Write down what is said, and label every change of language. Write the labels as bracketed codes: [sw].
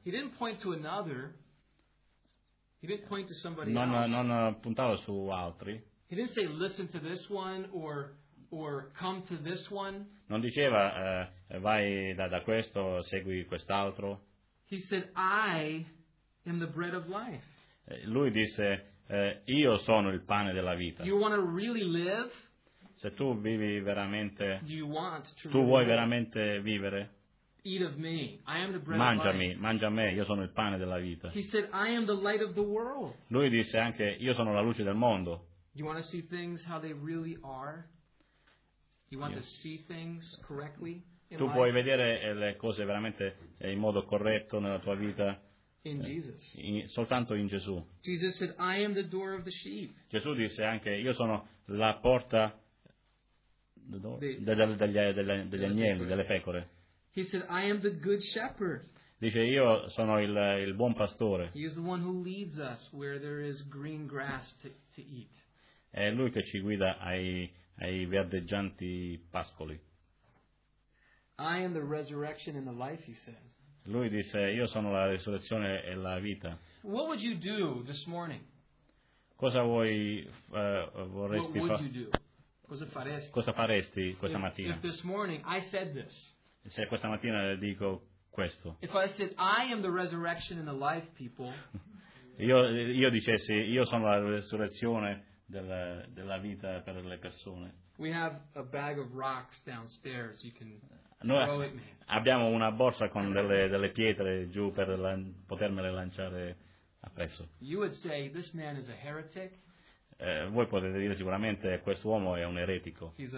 [en] He didn't point to another. He didn't point to somebody [it] Non puntava su altri. [en] He didn't say listen to this one or come to this one. [it] Non diceva vai da questo, segui quest'altro. [en] He said I am the bread of life. [it] Lui disse io sono il pane della vita. [en] You want to really live? [it] Se tu vivi veramente, [en] do you want to [it] tu vuoi veramente vivere? [en] Eat of me. I am the bread [it] mangiami, [en] of life. [it] Mangia me, io sono il pane della vita. [en] He said, I am the light of the world. [it] Lui disse anche, io sono la luce del mondo. [en] You want to see things how they really are? You want to see things correctly? [it] Tu puoi vedere le cose veramente in modo corretto nella tua vita? [en] In Jesus. [it] Soltanto in Gesù. [en] Jesus said, I am the door of the sheep. [it] Gesù disse anche, io sono la porta degli agnelli, delle pecore. [en] He said, I am the good shepherd. [it] Dice, io sono il buon pastore. [en] He is the one who leads us where there is green grass to eat. [it] È lui che ci guida ai verdeggianti pascoli. [en] I am the resurrection and the life, he says. [it] Lui disse, io sono la risurrezione e la vita. [en] What would you do this morning? [it] Cosa vuoi vorresti fare? [en] What would you do? [it] Cosa faresti? Cosa faresti questa mattina? [en] If this morning I said this. [it] Se questa mattina dico questo. [en] If I said I am the resurrection and the life, people. [it] io dicessi, io sono la risurrezione della vita per le persone. [en] We have a bag of rocks downstairs. You can. [it] Noi abbiamo una borsa con delle pietre giù per potermele lanciare appresso. [en] You would say, this man is a heretic. [it] Voi potete dire sicuramente questo uomo è un eretico.